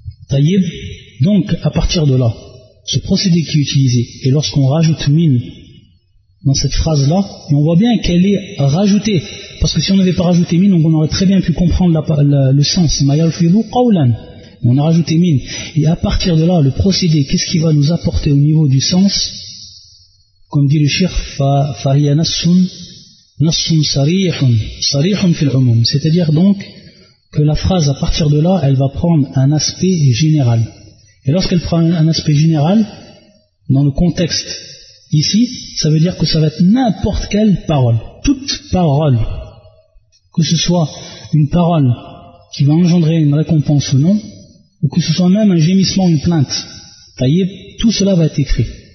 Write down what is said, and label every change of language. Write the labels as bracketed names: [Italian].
[French] طيب, donc à partir de là ce procédé qui est utilisé, et lorsqu'on rajoute min dans cette phrase là on voit bien qu'elle est rajoutée, parce que si on n'avait pas rajouté min on aurait très bien pu comprendre le sens [Arabic] ma yalfidhu qawlan, [French] on a rajouté min, et à partir de là le procédé qu'est-ce qu'il va nous apporter au niveau du sens? Comme dit le cheikh, [Arabic] فَهِيَ نَصٌ صَرِيحٌ صَرِيحٌ فِي الْعُمُمْ. [French] C'est-à-dire donc que la phrase, à partir de là, elle va prendre un aspect général. Et lorsqu'elle prend un aspect général, dans le contexte ici, ça veut dire que ça va être n'importe quelle parole. Toute parole, que ce soit une parole qui va engendrer une récompense ou non, ou que ce soit même un gémissement, une plainte, taïeb, tout cela va être écrit.